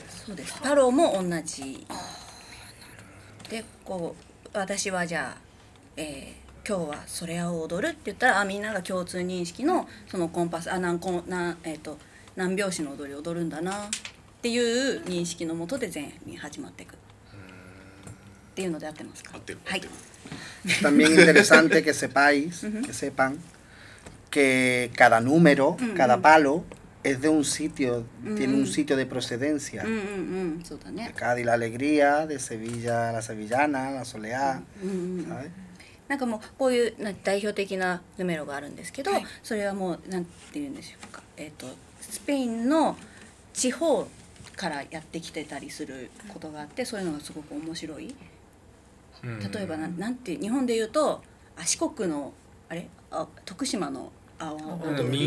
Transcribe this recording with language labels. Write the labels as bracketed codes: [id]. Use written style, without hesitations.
[ja] そうです、パロも同じで、こう私はじゃあ、今日はソレアを踊るって言ったら、あ、みんなが共通認識のそのコンパス、あ、何拍子の踊りを踊るんだなっていう認識のもとで全員始まっていくっていうので合ってますか。はい。 [es] También interesante que sepáis, que sepan que cada número, cada palo es de un sitio, tiene un sitio de procedencia. [ja] そうだね。 [es] Cádiz la alegría, de Sevilla la sevillana, la soleá. [ja] なんかもうこういう代表的なヌメロがあるんですけど、それはもうなんていうんでしょうか。スペインの地方からやってきてたりすることがあって、そういうのがすごく面白い。例えば なんて日本で言うと、あ、四国のあれ、あ、徳島の阿波踊り、